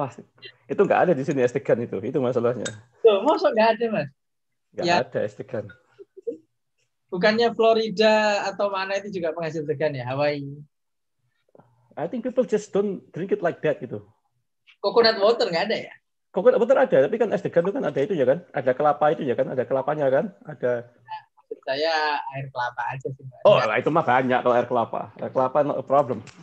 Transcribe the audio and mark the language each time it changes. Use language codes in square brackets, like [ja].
[id] Wah, itu nggak ada di sini es degan itu. Itu masalahnya. Tuh, maksud nggak ada, Mas. Nggak ya. Ada es degan. Bukannya Florida atau mana itu juga penghasil degan ya, Hawaii. [en] I think people just don't drink it like that, [id] gitu. Coconut water nggak ada ya? Coconut water ada, tapi kan es degan itu kan ada itu ya kan? Ada kelapa itu ya kan? Ada kelapanya kan? Ada. Saya air kelapa aja sih. Oh, lah, itu mah banyak kalau air kelapa. Air kelapa [en] no problem.